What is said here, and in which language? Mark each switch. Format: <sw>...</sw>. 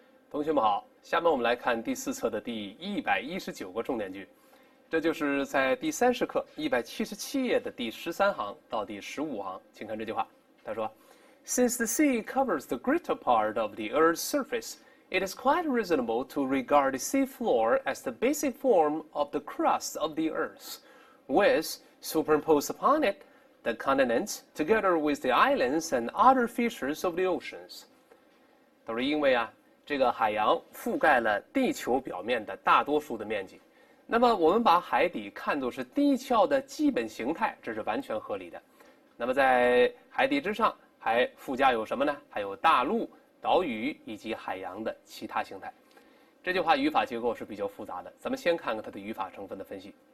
<zh>同学们好，下面我们来看第四册的第119个重点句，这就是在第30课177页的第13行到第15行，请看这句话。</zh> <en>他说，Since the sea covers the greater part of the Earth's surface, it is quite reasonable to regard the sea floor as the basic form of the crust of the Earth, with superimposed upon it the continents, together with the islands and other features of the oceans。</en> <zh>都是因为啊。这个海洋覆盖了地球表面的大多数的面积，那么我们把海底看作是地壳的基本形态，这是完全合理的。那么在海底之上还附加有什么呢？还有大陆、岛屿以及海洋的其他形态。这句话语法结构是比较复杂的，咱们先看看它的语法成分的分析。</zh>